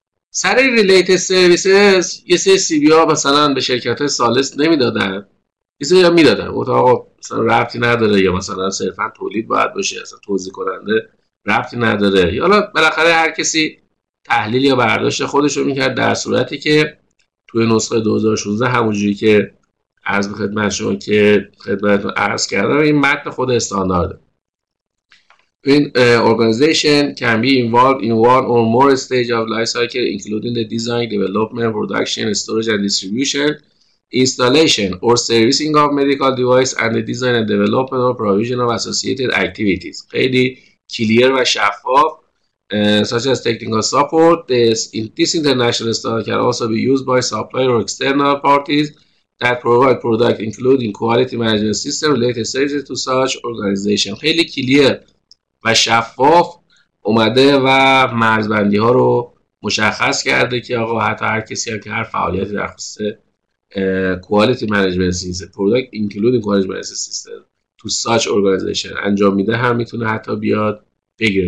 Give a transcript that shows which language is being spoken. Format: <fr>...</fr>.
<fa>سر Related Services یه سری سی بی ها مثلا به شرکت های سالس نمی دادن، یه سری ها می دادن اتاقا مثلا ربطی نداره، یا مثلا صرفا تولید باید باشه اصلا توزیع کننده ربطی نداره، یا حالا بالاخره هر کسی تحلیل یا برداشت خودش رو میکرد. در صورتی که توی نسخه 2016 همونجوری که عرض به خدمت شما که خدمتتون عرض کردم، این متن خود استاندارده، این</fa> <en>Organization can be involved in one or more stage of life cycle including the design, development, production, storage and distribution, installation or servicing of medical device and the design and development or provision of associated activities.</en> <fa>خیلی کلیر و شفاف،</fa> <en>such as technical support, this international standard can also be used by supplier or external parties that provide product including quality management system related services to such organization.</en> <fa>خیلی کلیر و شفاف اومده و مرزبندی ها رو مشخص کرده که آقا حتی هر کسی هم که هر فعالیتی در خصوص</fa> <en>quality management system, product include quality management system to such organization</en> <fa>انجام میده، هم میتونه حتی بیاد بگیره.</fa>